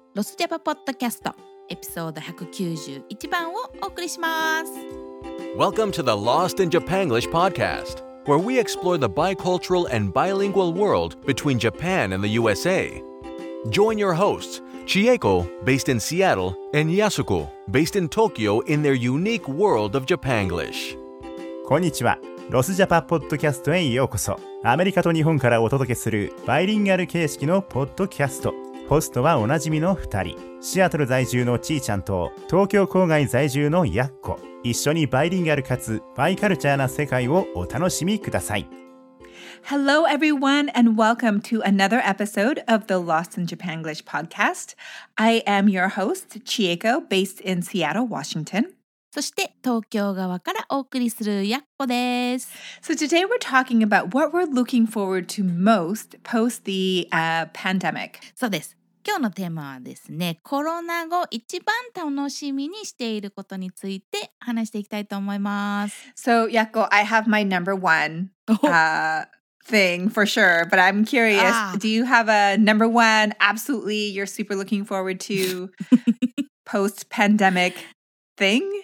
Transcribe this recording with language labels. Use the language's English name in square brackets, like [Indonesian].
[Japanese] ロスジャパポッドキャスト、エピソード191番をお送りします。 [English] Welcome to the Lost in Japan English podcast, where we explore the bicultural and bilingual world between Japan and the USA. Join your hosts, Chieko, based in Seattle, and Yasuko, based in Tokyo, in their unique world of Japanglish. [Japanese] こんにちは。ロスジャパポッドキャストへようこそ。アメリカと日本からお届けするバイリンガル形式のポッドキャスト。ホストはおなじみの2人、シアトル在住のちーちゃんと東京郊外在住のやっこ。一緒にバイリンガルかつバイカルチャーな世界をお楽しみください。 [English] Hello everyone and welcome to another episode of the Lost in Japan English podcast. I am your host, Chieko, based in Seattle, Washington. [Japanese] そして東京側からお送りするやっこです。 [English] So today we're talking about what we're looking forward to most post the pandemic. [Japanese] そうです。今日のテーマはですね、コロナ後一番楽しみにしていることについて話していきたいと思います。 [English] So Yakko, I have my number one thing for sure, but I'm curious, do you have a number one absolutely you're super looking forward to post pandemic thing?